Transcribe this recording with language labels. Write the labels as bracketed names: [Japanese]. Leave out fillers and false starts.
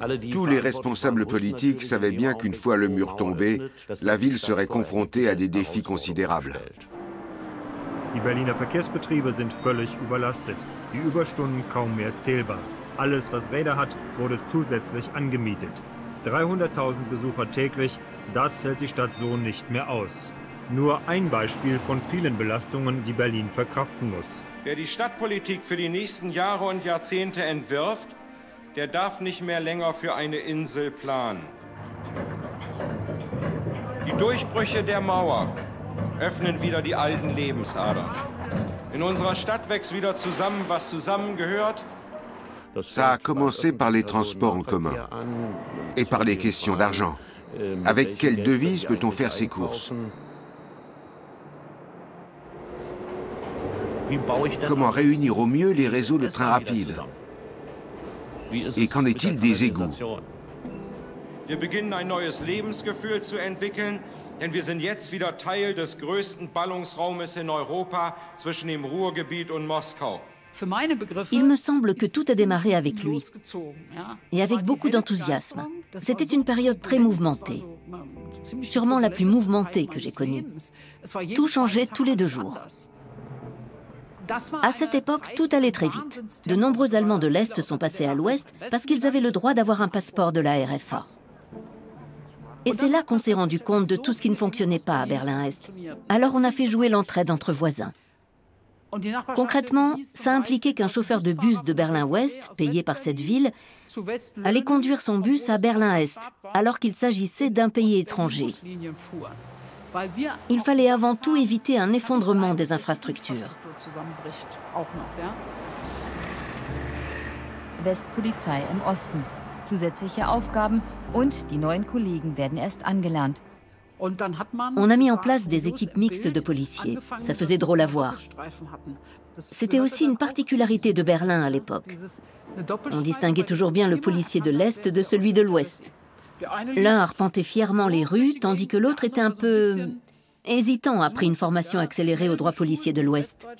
[French] Tous les responsables politiques savaient bien qu'une fois le mur tombé, la ville serait confrontée à des défis considérables. [German] Die Berliner Verkehrsbetriebe sind völlig überlastet, die Überstunden kaum mehr zählbar. Alles, was Räder hat, wurde zusätzlich angemietet. 300.000 Besucher täglich, das hält die Stadt so nicht mehr aus. Nur ein Beispiel von vielen Belastungen, die Berlin verkraften muss. Wer die Stadtpolitik für die nächsten Jahre und Jahrzehnte entwirft, der darf nicht mehr länger für eine Insel planen. Die Durchbrüche der Mauer öffnen wieder die alten Lebensadern. In unserer Stadt wächst wieder zusammen, was zusammengehört. [French] Ça a commencé par les transports en commun et par les questions d'argent. Avec quelle devise peut-on faire ses courses? Comment réunir au mieux les réseaux de trains rapides? Et qu'en est-il des égouts? [German] Wir beginnen ein neues Lebensgefühl zu entwickeln, denn wir sind jetzt wieder Teil des größten Ballungsraumes in Europa zwischen dem Ruhrgebiet und Moskau. [French] Il me semble que tout a démarré avec lui et avec beaucoup d'enthousiasme. C'était une période très mouvementée, sûrement la plus mouvementée que j'ai connue. Tout changeait tous les deux jours. À cette époque, tout allait très vite. De nombreux Allemands de l'Est sont passés à l'Ouest parce qu'ils avaient le droit d'avoir un passeport de la RFA. Et c'est là qu'on s'est rendu compte de tout ce qui ne fonctionnait pas à Berlin-Est. Alors on a fait jouer l'entraide entre voisins. Concrètement, ça impliquait qu'un chauffeur de bus de Berlin-Ouest, payé par cette ville, allait conduire son bus à Berlin-Est, alors qu'il s'agissait d'un pays étranger. Il fallait avant tout éviter un effondrement des infrastructures. [German] Westpolizei im Osten. Zusätzliche Aufgaben und die neuen Kollegen werden erst angelernt. [French] On a mis en place des équipes mixtes de policiers. Ça faisait drôle à voir. C'était aussi une particularité de Berlin à l'époque. On distinguait toujours bien le policier de l'Est de celui de l'Ouest. L'un arpentait fièrement les rues, tandis que l'autre était un peu hésitant après une formation accélérée au droit policier de l'Ouest.